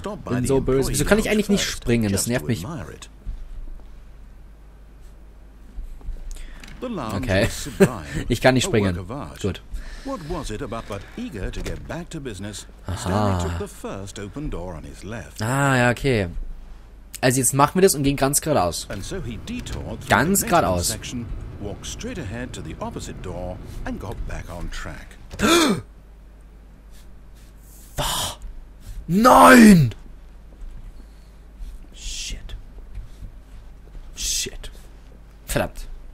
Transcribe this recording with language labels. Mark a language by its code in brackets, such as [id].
[de] Bin so böse. Wieso kann ich eigentlich nicht springen? Das nervt mich. Okay. Ich kann nicht springen. Gut. [en] What was it about but eager to get back to business? Aha. Stanley took the first open door on his left. [de] Ah, ja, okay. Also jetzt machen wir das und gehen ganz geradeaus. So ganz geradeaus. [en] Walked straight ahead to the opposite door and got back on track. [de] Nein! [en] Shit. Shit. [de] Verdammt.